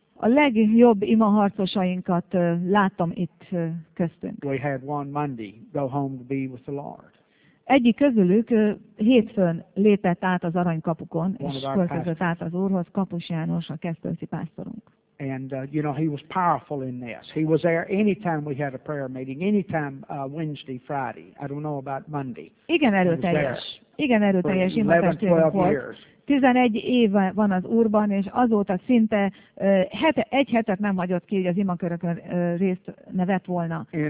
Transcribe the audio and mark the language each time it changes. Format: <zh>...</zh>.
<hu>A legjobb imaharcosainkat láttam itt köztünk.</hu> <en>We had one Monday go home to be with the Lord.</en> <hu>Egyik közülük hétfőn lépett át az aranykapukon, és költözött át az Úrhoz, Kapus János, a keszthelyi pásztorunk.</hu> <en>And you know, he was powerful in this. He was there anytime we had a prayer meeting, anytime Wednesday, Friday. I don't know about Monday.</en> <hu>Igen erőteljes imaharcosunk volt. 11 éve van az Úrban, és azóta szinte egy hetet nem hagyott ki, hogy az imakörökön részt ne vett volna.</hu>